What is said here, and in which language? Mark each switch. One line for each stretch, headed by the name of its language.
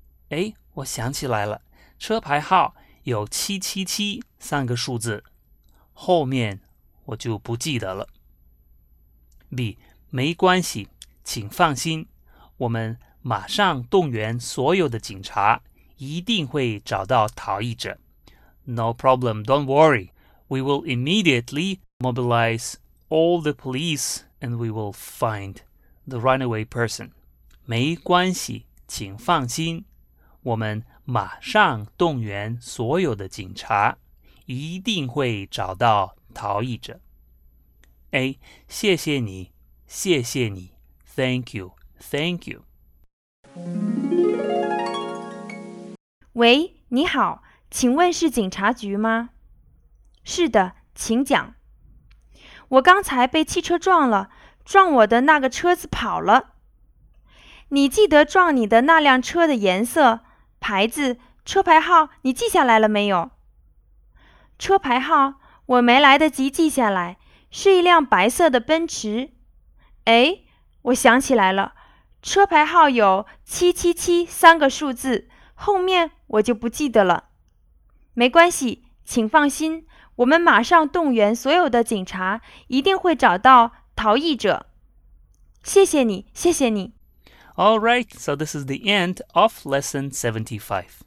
Chinese: 哎，我想起来了，车牌号有777三个数字，后面我就不记得了。 B, 没关系，请放心，我们马上动员所有的警察。一定会找到逃逸者。
English: No problem, don't worry. We will immediately mobilize all the police and we will find the runaway person.
Chinese: 没关系，请放心，我们马上动员所有的警察，一定会找到逃逸者。 A, 谢谢你，谢谢你。
English: Thank you, thank you.
Chinese: 喂，你好，请问是警察局吗？是的，请讲。我刚才被汽车撞了，撞我的那个车子跑了。你记得撞你的那辆车的颜色、牌子、车牌号，你记下来了没有？车牌号，我没来得及记下来，是一辆白色的奔驰。哎，我想起来了，车牌号有777三个数字，后面我就不记得了。没关系，请放心，我们马上动员所有的警察，一定会找到逃逸者。谢谢你，谢谢你。
English: Alright, so this is the end of lesson 75.